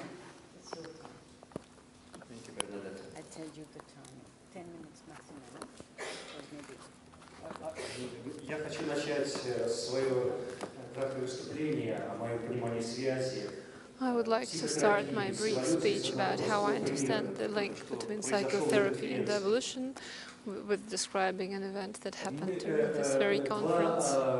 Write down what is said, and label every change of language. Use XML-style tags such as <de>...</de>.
<en>I'll tell you the time. 10 minutes maximum, or maybe</en> <ru>Я хочу начать свое краткое выступление о моем понимании связи.</ru> <en>I would like to start my brief speech about how I understand the link between psychotherapy and evolution with describing an event that happened during this very conference.</en>